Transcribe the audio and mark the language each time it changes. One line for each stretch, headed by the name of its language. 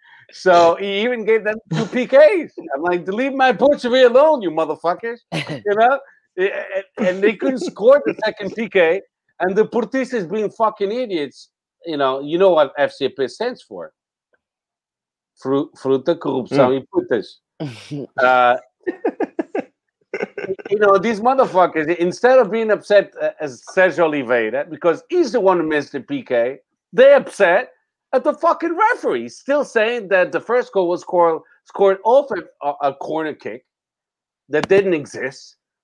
English: So he even gave them 2 PKs. I'm like, leave my butchery alone, you motherfuckers. You know? And they couldn't score the second PK. And the Portistas being fucking idiots, you know what FCP stands for?
Portuguese: Fruta corrupção e putas.
English: You know, these motherfuckers, instead of being upset as Sergio Oliveira, because he's the one who missed the PK, they're upset at the fucking referee. He's still saying that the first goal was scored off a corner kick that didn't exist.